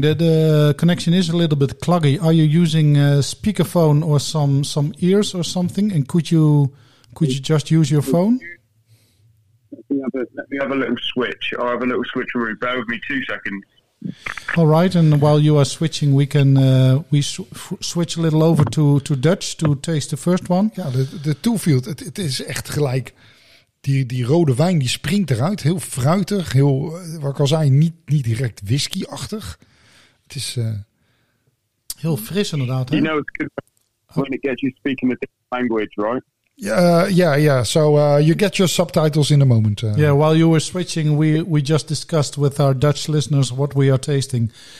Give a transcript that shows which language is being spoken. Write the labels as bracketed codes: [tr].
[en] The connection is a little bit cluggy. Are you using a speakerphone or some ears or something? And could you just use your phone? Let me have a little switch. I'll have a little switcheroo. Bear with me 2 seconds. All right. And while you are switching, we can switch a little over to Dutch to taste the first one. Yeah, the Toefield, it is [nl] echt gelijk. Die rode wijn die springt eruit, heel fruitig, heel, wat ik al zei, niet direct whisky-achtig. Het is heel fris inderdaad. [en] You know, it's good when it gets you speaking a different language, right? Yeah. So you get your subtitles in a moment. Yeah, while you were switching, we just discussed with our Dutch listeners what we are tasting.